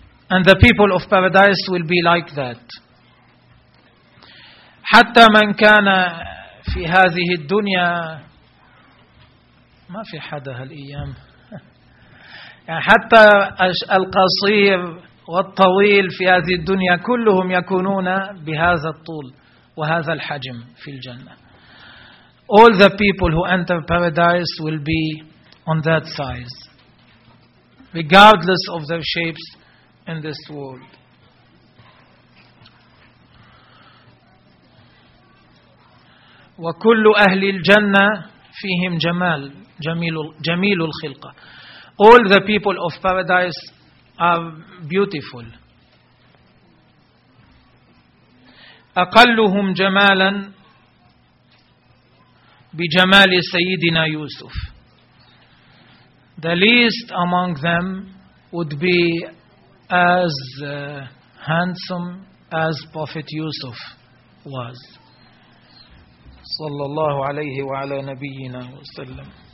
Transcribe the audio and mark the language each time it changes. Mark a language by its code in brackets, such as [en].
[en] And the people of paradise will be like that. [ar] حتى من كان في هذه الدنيا ما في حدا هالأيام حتى القصير والطويل في هذه الدنيا كلهم يكونون بهذا الطول وهذا الحجم في الجنة. [en] All the people who enter paradise will be on that size, regardless of their shapes in this world. [ar] وكل أهل الجنة فيهم جمال جميل الخلقة. [en] All the people of paradise are beautiful. [ar] أقلهم جمالا بجمال سيدنا يوسف. [en] The least among them would be as handsome as Prophet Yusuf was. [ar] صلى الله عليه وعلى نبينا وسلم.